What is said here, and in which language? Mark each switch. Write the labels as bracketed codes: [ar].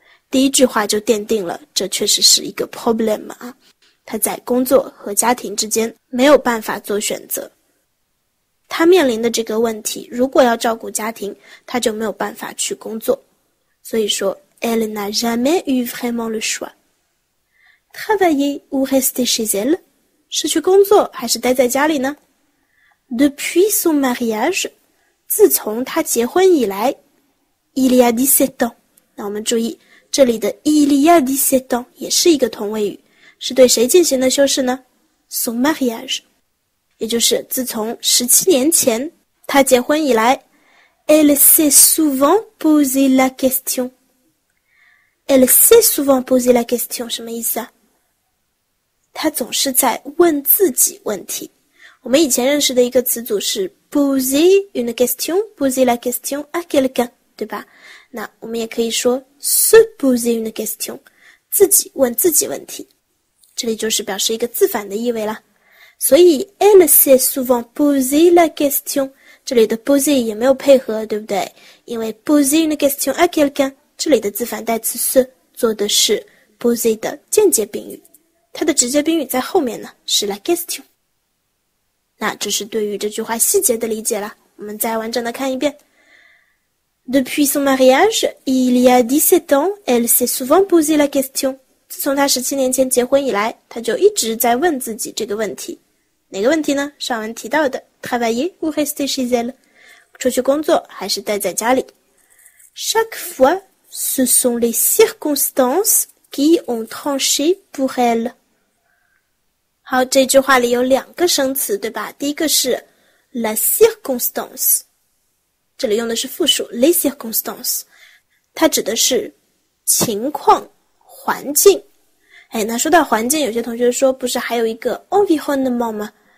[zh] 第一句话就奠定了这确实是一个 problem 啊，他在工作和家庭之间没有办法做选择，他面临的这个问题如果要照顾家庭他就没有办法去工作，所以说 [fr] elle n'a jamais eu vraiment le choix. Travailler ou rester chez elle? [zh] 是去工作还是待在家里呢？ [fr] Depuis son mariage, [zh] 自从他结婚以来 [fr] il y a 17 ans. [zh] 那我们注意这里的 il y a 17 ans 也是一个同位语，是对谁进行的修饰呢？ Son mariage, 也就是自从17年前他结婚以来。 [fr] Elle s'est souvent posé la question. Elle s'est souvent posé la question, [zh] 什么意思啊？他总是在问自己问题。我们以前认识的一个词组是 [fr] poser une question, poser la question à quelqu'un, [zh] 对吧？那我们也可以说 [fr] se poser une question, [zh] 自己问自己问题，这里就是表示一个自反的意味啦。所以 [fr] elle s'est souvent posé la question, [zh] 这里的 poser 也没有配合，对不对？因为 [fr] poser une question à quelqu'un [zh] 这里的自反代词是做的是 busy 的间接宾语，它的直接宾语在后面呢，是 la question。那这是对于这句话细节的理解了，我们再完整的看一遍。 [fr] Depuis son mariage, il y a 17 ans, elle s'est souvent posé la question. [zh] 自从她17年前结婚以来，她就一直在问自己这个问题。哪个问题呢？上文提到的 [fr] travailler ou rester chez elle， [zh] 出去工作还是待在家里。 [fr] Chaque fois, ce sont les circonstances qui ont tranché pour elle. [zh] 好，这句话里有两个生词，对吧？第一个是 la circonstance。这里用的是复数 [fr] les circonstances， [zh] 它指的是情况、环境。哎，那说到环境，有些同学说不是还有一个 environnement 吗？